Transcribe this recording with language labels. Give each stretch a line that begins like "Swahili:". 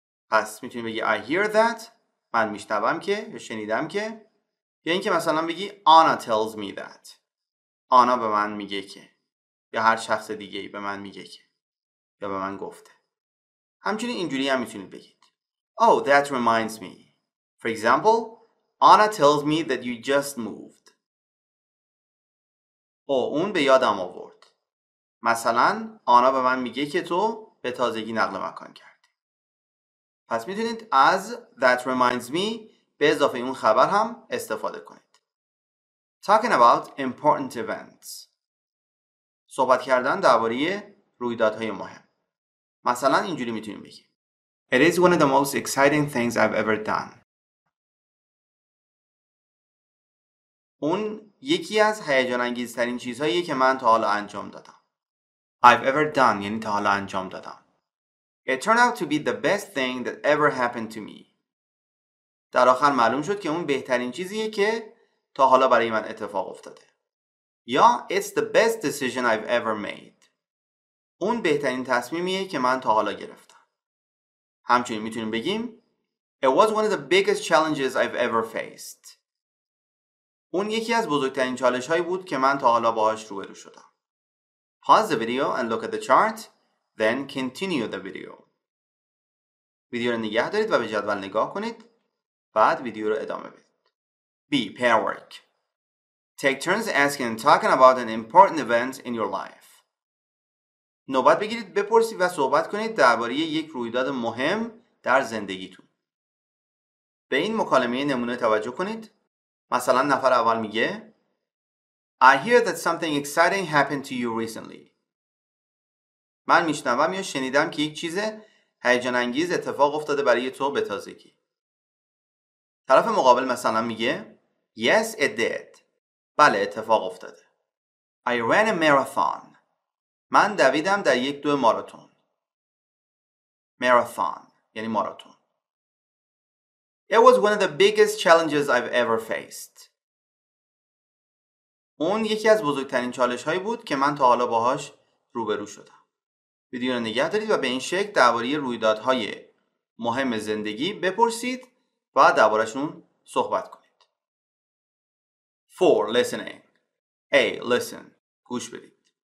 Persian: پس میتونی بگی
English: I hear that،
Persian: من میشنوم که، شنیدم که، یا این که مثلا بگی
English: Anna tells me that.
Persian: Anna به من میگه که. یا هر شخص دیگه به من میگه که. یا به من گفته. همچنین اینجوری هم میتونید بگید.
English: Oh, that reminds me. For example, Anna tells me that you just moved.
Persian: Oh, اون به یادم آورد. مثلا Anna به من میگه که تو به تازگی نقل مکان کردی. پس میتونید از
English: that reminds me
Persian: به اضافه اون خبر هم استفاده کنید.
English: Talking about important events.
Persian: صحبت کردن درباره رویدادهای مهم. مثلا اینجوری میتونیم بگیم.
English: It is one of the most exciting things I've ever done.
Persian: اون یکی از هیجان انگیزترین چیزهایی که من تا حالا انجام دادم.
English: I've ever done
Persian: یعنی تا حالا انجام دادم.
English: It turned out to be the best thing that ever happened to me.
Persian: در آخر معلوم شد که اون بهترین چیزیه که تا حالا برای من اتفاق افتاده. یا
English: It's the best decision I've ever made.
Persian: اون بهترین تصمیمیه که من تا حالا گرفتم. همچنین میتونیم بگیم
English: It was one of the biggest challenges I've ever faced.
Persian: اون یکی از بزرگترین چالش هایی بود که من تا حالا باهاش روبرو شدم.
English: Pause the video and look at the chart. Then continue the video.
Persian: ویدیو رو نگه دارید و به جدول نگاه کنید. بعد ویدیو رو ادامه بدید.
English: B. Pair work. Take turns asking and talking about an important event in your life.
Persian: نوبت بگیرید بپرسید و صحبت کنید درباره یک رویداد مهم در زندگیتون. به این مکالمه نمونه توجه کنید. مثلا نفر اول میگه
English: I hear that something exciting happened to you recently.
Persian: من میشنوم یا شنیدم که یک چیز هیجان انگیز اتفاق افتاده برای تو به تازگی. طرف مقابل مثلا میگه
English: Yes, it did.
Persian: بله اتفاق افتاده.
English: I ran a marathon.
Persian: من دویدم در یک دو ماراتون. Marathon یعنی ماراتون.
English: It was one of the biggest challenges I've ever faced.
Persian: اون یکی از بزرگترین چالش هایی بود که من تا حالا باهاش روبرو شدم. ویدیو رو نگه دارید و به این شکل درباره رویدادهای مهم زندگی بپرسید. و دربارشون صحبت کنید.
English: 4. Listening. A. Listen.
Persian: گوش بدید.